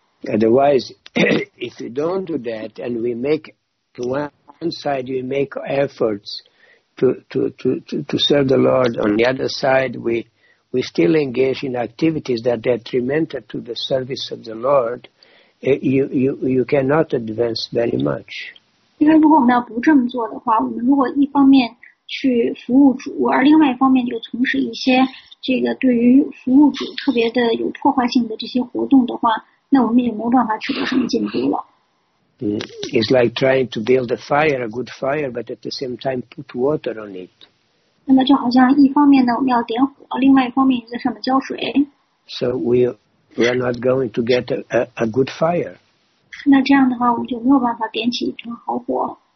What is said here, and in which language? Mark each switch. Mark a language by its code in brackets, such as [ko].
[en] Otherwise, if we don't do that, and we make to one side, we make efforts to serve the Lord. On the other side, we still engage in activities that are detrimental to the service of the Lord. You cannot advance very much. [zh] 因为如果我们要不这么做的话，我们如果一方面去服务主，而另外一方面就从事一些这个对于服务主特别的有破坏性的这些活动的话，那我们也没有办法取得什么进步了。 [en] It's like trying to build a fire, a good fire, but at the same time put water on it. [zh] 那么就好像一方面呢，我们要点火，另外一方面在上面浇水。 [en] So we are not going to get a good fire. [zh] 那这样的话，我们就没有办法点起一团好火。